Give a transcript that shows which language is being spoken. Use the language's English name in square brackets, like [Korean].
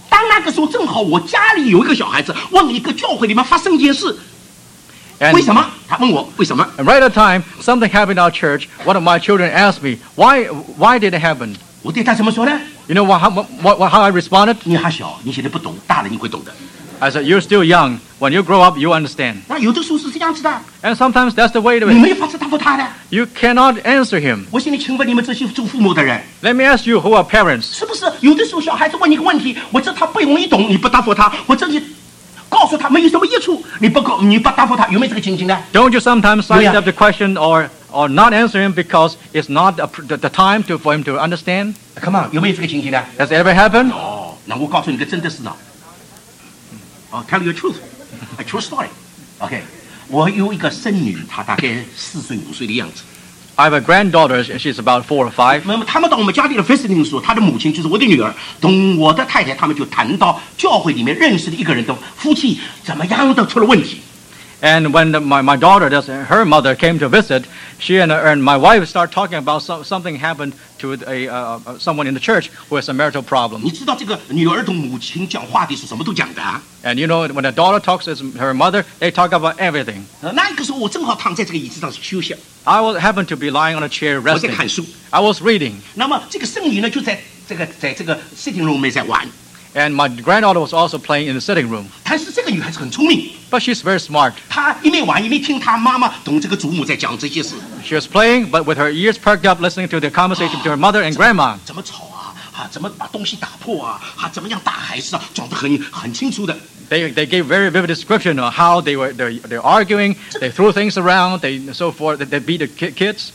[Chinese] 当那个时候，正好我家里有一个小孩子问一个教会里面发生一件事， [English] and, [Chinese] 为什么？他问我为什么 [English] ？Right at time, something happened in our church. One of my children asked me, why did it happen? [Chinese] 我对他怎么说呢 [English] ？You know how I responded? [Chinese] 你还小，你现在不懂，大了你会懂的。 [English] I said, you're still young. When you grow up, you understand. [Chinese] 那有的时候是这样子的。 [English] And sometimes that's the way to [Chinese] it. 你没有法子答复他的。 [English] You cannot answer him. [Chinese] 我现在请问你们这些做父母的人。 [English] Let me ask you who are parents. [Chinese] 是不是有的时候小孩子问你一个问题，我知道他不容易懂，你不答复他，我真的告诉他没有什么益处，你不答复他，有没有这个情形呢？ [English] Don't you sometimes size up the question or not answer him because it's not the time for him to understand? Come on, [Chinese] 有没有这个情形呢？ [English] Has it ever happened? [Chinese] 哦，那我告诉你个真的事呢。 [English] Tell you the truth, a true story. [Chinese] Okay, 我有一个孙女，她大概四岁五岁的样子。 [English] I have a granddaughter, and she's about 4 or 5. [Chinese] 那么他们到我们家里的 visiting 的时候，她的母亲就是我的女儿，同我的太太，他们就谈到教会里面认识的一个人的夫妻怎么样的出了问题。 [English] And when my daughter, that's her mother, came to visit, she and my wife start talking about something happened to someone in the church who has a marital problem. [Chinese] 你知道这个女儿同母亲讲话的是什么都讲的啊 [English] ？And you know when a daughter talks to her mother, they talk about everything. [Chinese] 那个时候我正好躺在这个椅子上休息。 [English] I happened to be lying on a chair resting. [Chinese] 我在看书。 [English] I was reading. [Chinese] 那么这个圣女呢，就在这个 sitting room 里面在玩。 [English] And my granddaughter was also playing in the sitting room. [Chinese] 但是这个女孩子很聪明。 [English] But she's very smart. [Chinese] 她一面玩一面听她妈妈同这个祖母在讲这些事。 [English] She was playing, but with her ears perked up, listening to the conversation between her mother and grandma. [Chinese] 怎么吵啊？怎么把东西打破啊？怎么样打孩子啊？讲得很清楚的。 [English] They gave very vivid description of how they're arguing, they threw things around, they so forth, they beat the kids.